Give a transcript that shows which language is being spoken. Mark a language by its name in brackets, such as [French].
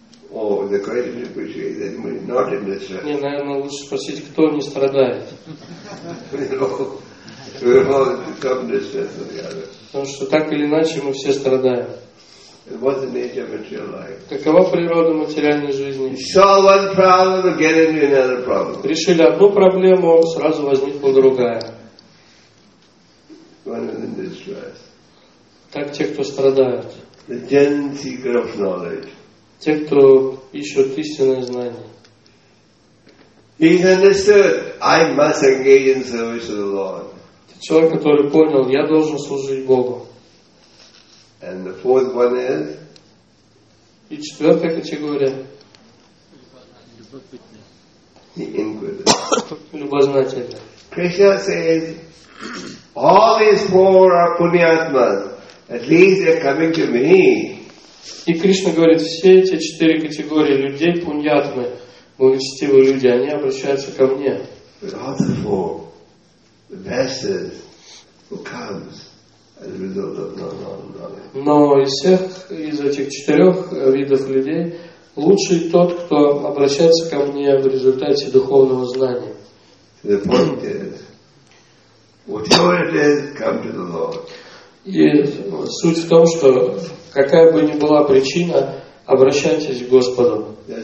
[English] Oh, the question is, is anyone not in distress? [Russian] Не, наверное, лучше спросить, кто не страдает. [English] We all become distressed together. [Russian] Потому что так или иначе мы все страдаем. [English] And what's the nature of material life? [Russian] Какова природа материальной жизни? [English] Solve one problem and get into another problem. [Russian] Решили одну проблему, сразу возникла другая. [English] One is in distress. [Russian] Так те, кто страдают. [English] The gen seeker of knowledge. [Russian] Те, кто ищут истинное знание. [English] He's understood. I must engage in service to the Lord. [Russian] Ты человек, который понял, я должен служить Богу. [English] And the fourth one is. [Russian] И четвертая категория. [English] The inquisitor. [Russian] Любознательный. [English] Krishna says, all these four are punyatmas. At least they're coming to me. [Russian] И Кришна говорит, все эти четыре категории людей, пуньятмы, благочестивые люди, они обращаются ко мне. [English] But all the four, the best is who comes as a result of knowledge. [Russian] Но из всех из этих четырех видов людей лучший тот, кто обращается ко мне в результате духовного знания. [English] The point is, whatever it is, come to the Lord. [Russian] И суть в том, что какая бы ни была причина, обращайтесь к Господу.